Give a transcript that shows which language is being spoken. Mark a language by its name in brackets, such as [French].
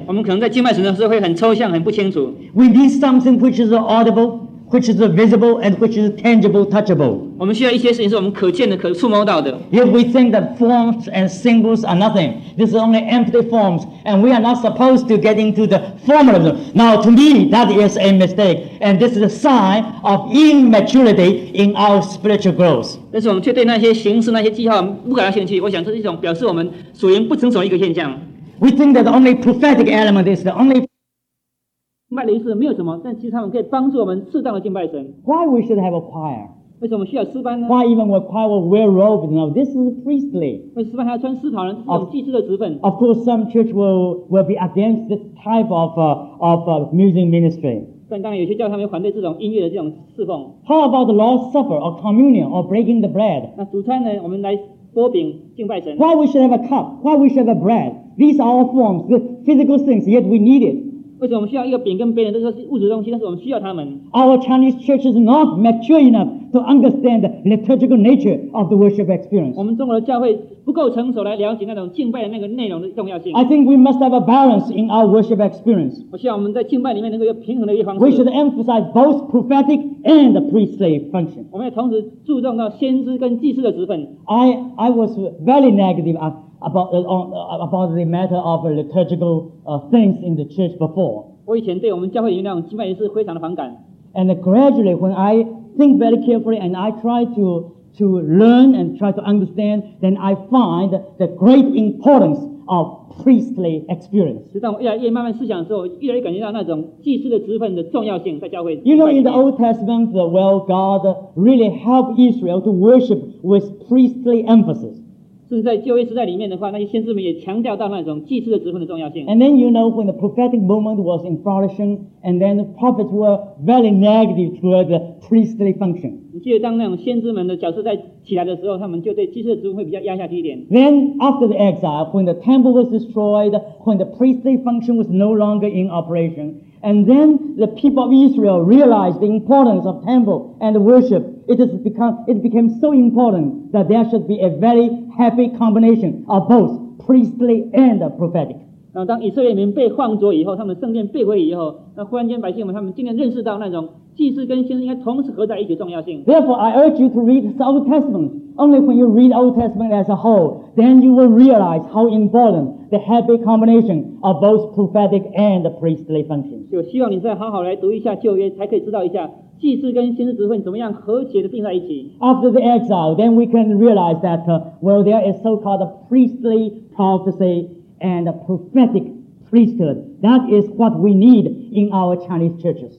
[Chinese] 我们可能在敬拜神的时候会很抽象，很不清楚。 [English] We need something which is audible, which is visible, and which is tangible, touchable. [Chinese] 我们需要一些事情是我们可见的、可触摸到的。 [English] If we think that forms and symbols are nothing, this is only empty forms, and we are not supposed to get into the formalism. Now, to me, that is a mistake, and this is a sign of immaturity in our spiritual growth. [Chinese] 但是我们却对那些形式、那些记号不感兴趣，我想这是一种表示我们属灵不成熟一个现象。 [English] We think that the only prophetic element is the only [Chinese] 卖了一次没有什么，但其实他们可以帮助我们适当的敬拜神。 [English] Why we should have a choir? [Chinese] 为什么需要诗班呢？ [English] Why even a choir will wear robes? No, this is priestly. [Chinese] 为诗班还要穿丝袍呢？这是我们祭司的职分。 [English] Of course, some church will be against this type of music ministry. [Chinese] 但当然，有些教堂会反对这种音乐的这种侍奉。 [English] How about the Lord's Supper or communion or breaking the bread? [Chinese] 那主餐呢？我们来擘饼敬拜神。 [English] Why we should have a cup? Why we should have a bread? These are all forms, the physical things. Yet we need it. [Chinese] 为什么我们需要一个饼跟杯呢？这是物质东西，但是我们需要它们。 [English] Our Chinese church is not mature enough to understand the liturgical nature of the worship experience. [Chinese] 我们中国的教会不够成熟来了解那种敬拜的那个内容的重要性。 [English] I think we must have a balance in our worship experience. [Chinese] 我希望我们在敬拜里面能够有平衡的一个方式。 [English] We should emphasize both prophetic and priestly function. [Chinese] 我们也同时注重到先知跟祭司的职分。 [English] I was very negative about the matter of liturgical things in the church before. [Chinese] 我以前对我们教会里面那种敬拜仪式非常的反感。 [English] And gradually, when I think very carefully and I try to learn and try to understand, then I find the great importance of priestly experience. [Chinese] 直到我越慢慢思想的时候，越来越感觉到那种祭司的职分的重要性在教会。 [English] You know, in the Old Testament, well, God really helped Israel to worship with priestly emphasis. [Chinese] 甚至在旧约时代里面的话，那些先知们也强调到那种祭司的职分的重要性。 [English] And then you know when the prophetic moment was in flourishing, and then the prophets were very negative toward the priestly function. [Chinese] 你记得当那种先知们的角色在起来的时候，他们就对祭司的职分会比较压下去一点。 [English] Then after the exile, when the temple was destroyed, when the priestly function was no longer in operation, and then the people of Israel realized the importance of temple and worship. It became so important that there should be a very happy combination of both priestly and prophetic. [Chinese] 然后当以色列民被换作以后，他们圣殿被毁以后，那忽然间百姓们他们渐渐认识到那种祭司跟先知应该同时合在一起的重要性。 [English] Therefore, I urge you to read the Old Testament. Only when you read Old Testament as a whole, then you will realize how important the happy combination of both prophetic and priestly functions. [Chinese] 就希望你再好好来读一下旧约，才可以知道一下。祭司跟先知职分怎么样和谐的并在一起 [English] ？After the exile, then we can realize that well, there is so-called a priestly prophecy and a prophetic priesthood. That is what we need in our Chinese churches.